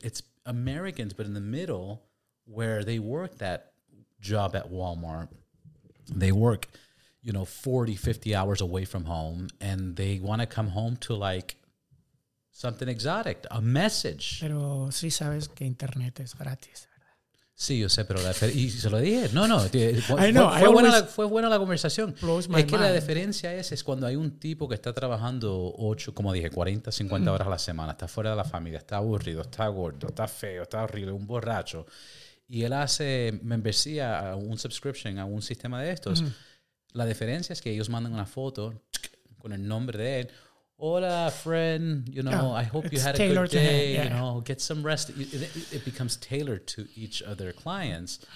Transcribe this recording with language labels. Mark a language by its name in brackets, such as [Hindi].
[English] It's Americans, but in the middle where they work that job at Walmart, they work, you know, 40, 50 hours away from home, and they want to come home to like something exotic, a message. [Spanish] Pero sí sabes que internet es gratis. Sí, yo sé, pero la diferencia, y se lo dije. No. Fue buena la conversación. Es que [English] mind. [Spanish] La diferencia es cuando hay un tipo que está trabajando 8, como dije, 40, 50 horas a la semana, está fuera de la familia, está aburrido, está gordo, está feo, está horrible, un borracho. Y él hace membresía a un subscription, a un sistema de estos. La diferencia es que ellos mandan una foto con el nombre de él. [English] Hola, friend, you know, I hope you had a good day, you know, get some rest. It becomes tailored to each of their clients.